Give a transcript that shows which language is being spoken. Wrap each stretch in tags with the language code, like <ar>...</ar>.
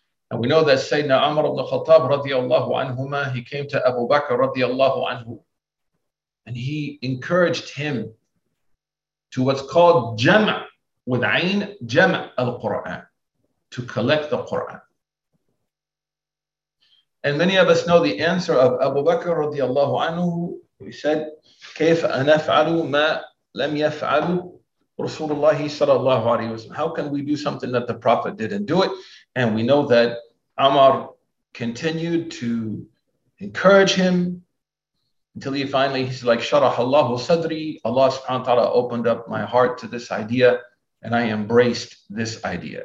<en>And we know that Sayyidina Umar ibn Khattab radiallahu anhuma, he came to Abu Bakr radiallahu anhu, and he encouraged him to what's called jam' with Ayn, jam' al-Qur'an, to collect the Qur'an. And many of us know the answer of Abu Bakr radiallahu anhu. He said,</en> <ar>كيف أنفعل ما لم يفعل رسول الله صلى الله عليه وسلم.</ar> <en>How can we do something that the Prophet didn't do it? And we know that Umar continued to encourage him until he finally, he's like,</en> <ar>شرح الله صدري.</ar> <en>Allah subhanahu wa ta'ala opened up my heart to this idea, and I embraced this idea.</en>